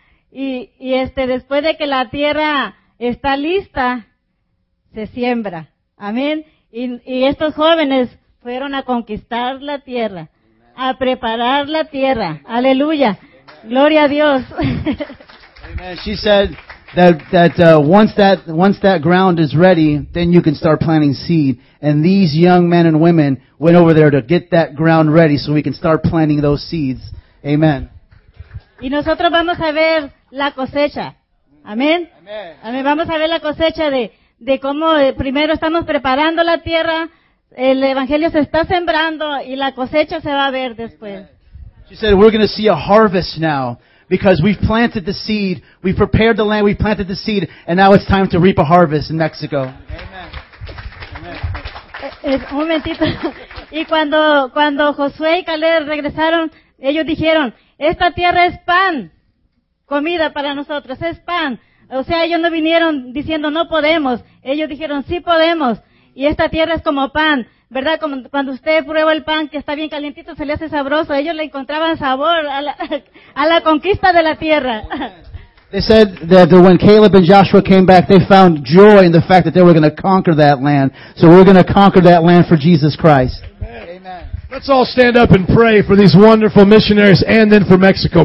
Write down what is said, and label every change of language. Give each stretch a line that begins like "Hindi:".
Spanish: Y después de que la tierra está lista, se siembra. Amén. Y estos jóvenes fueron a conquistar la tierra, a preparar la tierra. Aleluya. Gloria a Dios.
English: Amen. She said that once that ground is ready, then you can start planting seed. And these young men and women went over there to get that ground ready so we can start planting those seeds. Amen.
Spanish: Y nosotros vamos a ver la cosecha. Amén. Amén. Vamos a ver la cosecha de cómo primero estamos preparando la tierra, el evangelio se está sembrando y la cosecha se va a ver después.
English: She said, we're going to see a harvest now because we've planted the seed, we've prepared the land, we've planted the seed, and now it's time to reap a harvest in Mexico. Amen.
Spanish: Amen. Un momentito. Y cuando Josué y Caleb regresaron, ellos dijeron, esta tierra es pan, comida para nosotros, es pan. O sea, ellos no vinieron diciendo no podemos. Ellos dijeron sí podemos. Y esta tierra es como pan, ¿verdad? Como cuando usted prueba el pan que está bien calientito, se le hace sabroso. Ellos le encontraban sabor a la conquista de la tierra.
English: They said that when Caleb and Joshua came back, they found joy in the fact that they were going to conquer that land. So we're going to conquer that land for Jesus Christ. Amen. Let's all stand up and pray for these wonderful missionaries and then for Mexico.